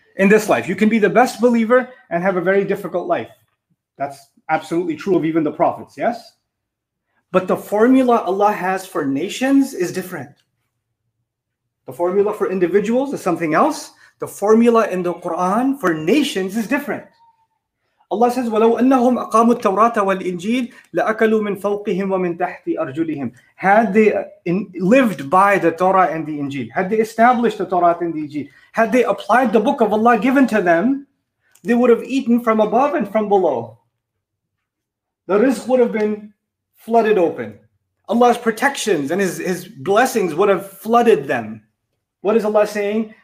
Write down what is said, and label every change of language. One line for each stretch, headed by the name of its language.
English: In this life, you can be the best believer and have a very difficult life. That's absolutely true of even the prophets, yes? But the formula Allah has for nations is different. The formula for individuals is something else. The formula in the Quran for nations is different. Allah says,
Arabic: وَلَوْ أَنَّهُمْ أَقَامُوا التَّوْرَاةَ وَالْإِنْجِيلَ لَأَكَلُوا مِنْ فَوْقِهِمْ وَمِنْ تَحْتِ أَرْجُلِهِمْ.
English: Had they lived by the Torah and the Injil, had they established the Torah and the Injil, had they applied the book of Allah given to them, they would have eaten from above and from below. The rizq would have been flooded open. Allah's protections and His blessings would have flooded them. What is Allah saying?